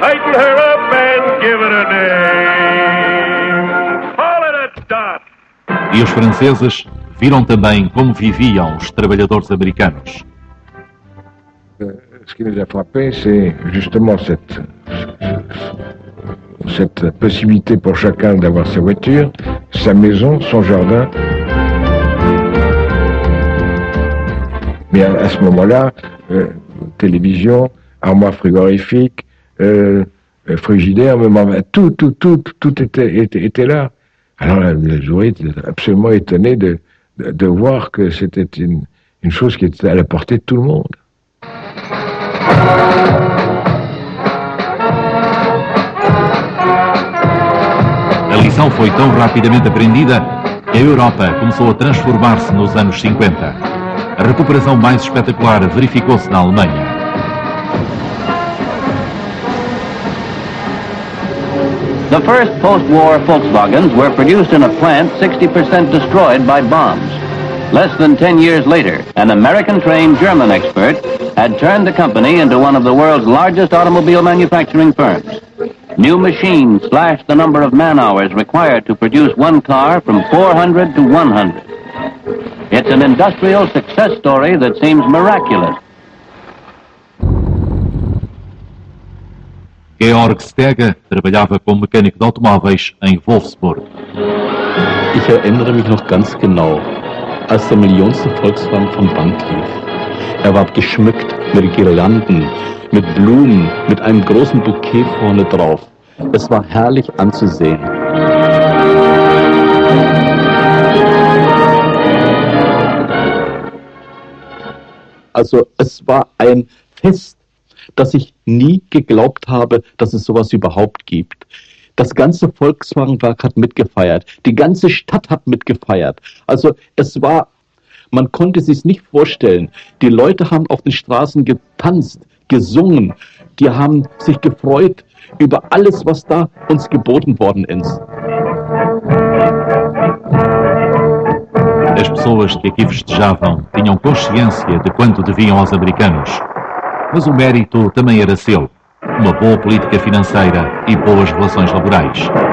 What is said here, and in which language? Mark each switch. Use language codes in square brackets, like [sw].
[en] Tighten her up and give it a name. Call it a dot. [pt] E os franceses viram também como viviam os trabalhadores americanos. [fr] Ce qui nous a frappé, c'est justement cette possibilité pour chacun d'avoir sa voiture, sa maison, son jardin. Mais à ce moment-là, télévision, armoire frigorifique, frigidaire, tout était là. Alors les ouvriers étaient absolument étonnés de voir que c'était une chose qui était à la portée de tout le monde. [pt] A lição foi tão rapidamente aprendida que a Europa começou a transformar-se nos anos 50. A recuperação mais espetacular verificou-se na Alemanha. [en] The first post-war Volkswagens were produced in a plant 60% destroyed by bombs. Less than 10 years later, an American-trained German expert had turned the company into one of the world's largest automobile manufacturing firms. New machines slashed the number of man-hours required to produce one car from 400 to 100. It's an industrial success story that seems miraculous. [pt] Georg Stege trabalhava como mecânico de automóveis em Wolfsburg. [de] Ich erinnere mich noch ganz genau, als der millionste Volkswagen von Band lief. War geschmückt mit Girlanden, mit Blumen, mit einem großen Bouquet vorne drauf. Es war herrlich anzusehen. Also es war ein Fest, das ich nie geglaubt habe, dass es sowas überhaupt gibt. Das ganze Volkswagenwerk hat mitgefeiert. Die ganze Stadt hat mitgefeiert. Also es war, man konnte sich's nicht vorstellen. Die Leute haben auf den Straßen getanzt, gesungen. Die haben sich gefreut über alles, was da uns geboten worden ist. [pt] As pessoas que aqui festejavam tinham consciência de quanto deviam aos americanos. Mas o mérito também era seu. Uma boa política financeira e boas relações laborais.